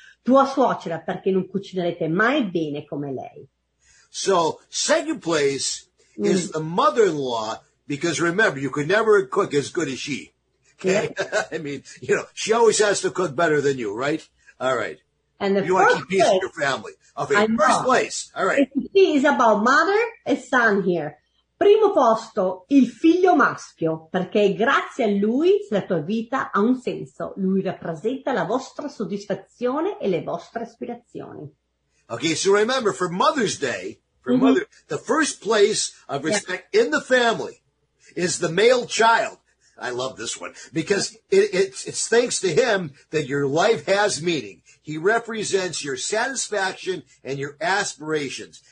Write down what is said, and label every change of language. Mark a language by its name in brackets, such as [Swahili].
[Italian] Tua suocera, perché non cucinerete mai bene come lei? [English] So second place is the mother-in-law because remember, you could never cook as good as she. Okay. I mean, you know, she always has to cook better than you, right? All right. And you want to keep peace with your family. Okay, first place. All right. It's about mother and son here. [Italian] Primo posto, il figlio maschio, perché grazie a lui la tua vita ha un senso. Lui rappresenta la vostra soddisfazione e le vostre aspirazioni. [English] Okay, so remember, for Mother's Day, the first place of respect in the family is the male child. I love this one because it's thanks to him that your life has meaning. He represents your satisfaction and your aspirations.